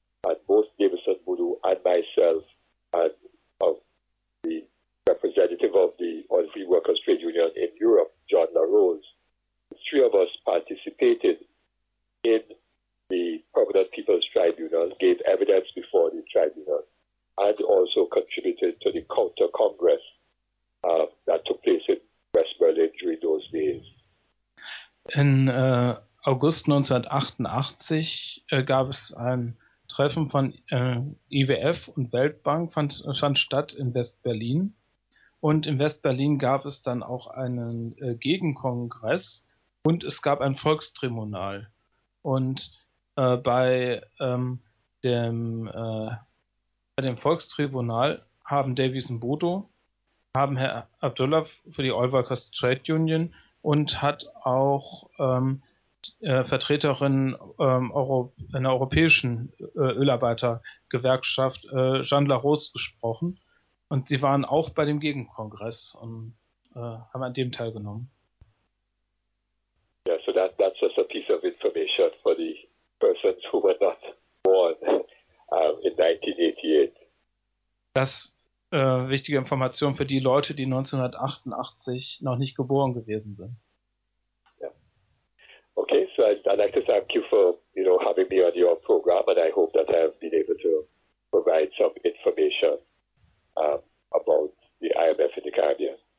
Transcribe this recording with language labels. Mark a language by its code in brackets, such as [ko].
[en] And both Davison Bodo and myself and of the representative of the Oil Free Workers Trade Union in Europe, John LaRose, the three of us participated in the permanent people's tribunal, gave evidence before the tribunal, and also contributed to the counter congress that took place in West Berlin during those days. [de] In August 1988 gab es ein Treffen von IWF und Weltbank, fand statt in West-Berlin. Und in West-Berlin gab es dann auch einen Gegenkongress und es gab ein Volkstribunal. Und bei dem Volkstribunal haben Davison Bodo, haben Herr Abdullah für die Oil Workers Trade Union und hat auch Vertreterin einer europäischen Ölarbeitergewerkschaft, Jeanne LaRose, gesprochen. Und sie waren auch bei dem Gegenkongress und haben an dem teilgenommen. [en] Yeah, so that's just a piece of information for the persons who were not born in 1988. [de] Das wichtige Information für die Leute, die 1988 noch nicht geboren gewesen sind. [en] Yeah. Okay, so I'd like to thank you for, you know, having me on your program, and I hope that I have been able to provide some information about the IMF in the Caribbean.